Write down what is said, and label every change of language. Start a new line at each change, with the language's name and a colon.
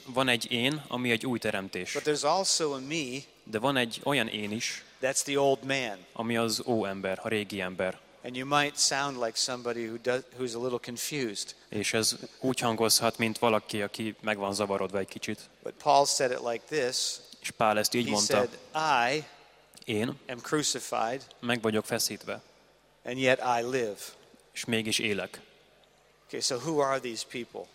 Hungarian: Van egy én, ami egy új teremtés.
English: But there's also a me.
Hungarian: De van egy olyan én is.
English: That's the old man.
Hungarian: Ami az óember, a régi ember.
English: And you might sound like somebody who's a little confused.
Hungarian: És ez úgy hangozhat, mint valaki, aki meg van zavarodva egy kicsit.
English: But Paul said it like this.
Hungarian: És Pál ezt így mondta.
English: He said, I
Hungarian: én
English: am crucified.
Hungarian: Meg vagyok feszítve.
English: And yet I live.
Hungarian: És mégis élek.
English: Okay, so who are these people?